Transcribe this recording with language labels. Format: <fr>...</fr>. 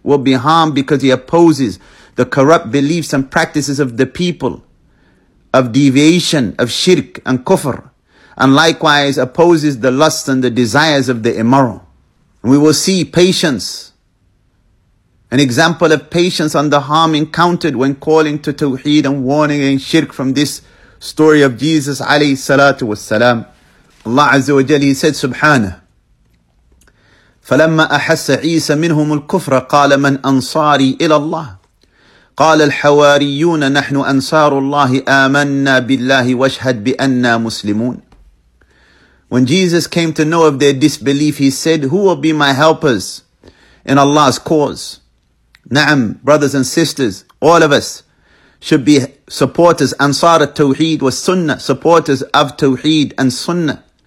<en>will be harmed because he opposes the corrupt beliefs and practices of the people, of deviation, of shirk and kufr, and likewise opposes the lust and the desires of the immoral. We will see patience, an example of patience on the harm encountered when calling to tawheed and warning against shirk from this story of Jesus alayhi salatu wassalam.</en> <ar>Allah Azza wa Jalla,</ar> <en>he said,</en> <ar>Subhanahu, فَلَمَّا أَحَسَّ عِيسَ مِنْهُمُ الْكُفْرَ قَالَ مَنْ أَنْصَارِي إِلَى اللَّهِ قَالَ الْحَوَارِيُّونَ نَحْنُ أَنْصَارُ اللَّهِ آمَنَّا بِاللَّهِ وَاشْهَدْ بِأَنَّا مُسْلِمُونَ.</ar> <en>When Jesus came to know of their disbelief, he said, who will be my helpers in Allah's cause? Na'am, brothers and sisters, all of us should be supporters,</en> <ar>Ansar al-Tawheed wa Sunnah,</ar> <en>supporters of Tawheed and Sunnah.</en>